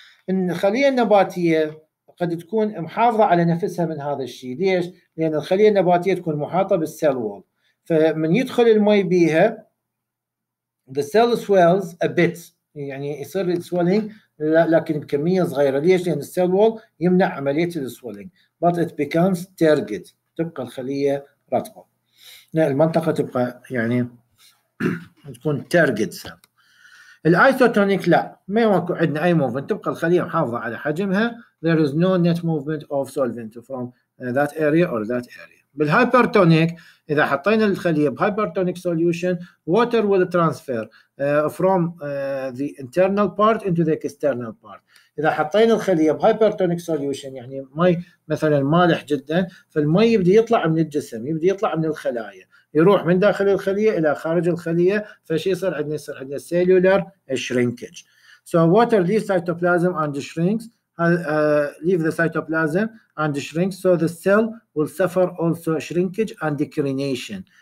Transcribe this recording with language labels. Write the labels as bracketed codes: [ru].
[ar] ان الخليه النباتيه قد تكون محافظة على نفسها من هذا الشيء، ليش؟ لأن الخلية النباتية تكون محاطة بالسيل وول، فمن يدخل المي بيها the cell swells a bit، يعني يصير السولينج لكن بكمية صغيرة، ليش؟ لأن السيل وول يمنع عملية السولينج، but it becomes turgid، تبقى الخلية رطبة، المنطقة تبقى يعني تكون turgid. الايزوتونيك لا، ما ماكو عندنا اي موفمنت، تبقى الخليه محافظه على حجمها، there is no net movement of solvent from that area or that area. [en] بالهايبرتونيك اذا حطينا الخليه بهايبرتونيك solution water will transfer from the internal part into the external part. [ar] اذا حطينا الخليه بهايبرتونيك سوليوشن يعني مي مثلا مالح جدا، فالمي يبدا يطلع من الجسم، يبدا يطلع من الخلايا، يروح من داخل الخليه الى خارج الخليه، فشي يصير عندنا؟ يصير عندنا سيلولار شرينكج. [en] So water leaves cytoplasm and shrinks leave the cytoplasm and shrinks, so the cell will suffer also shrinkage and decrination.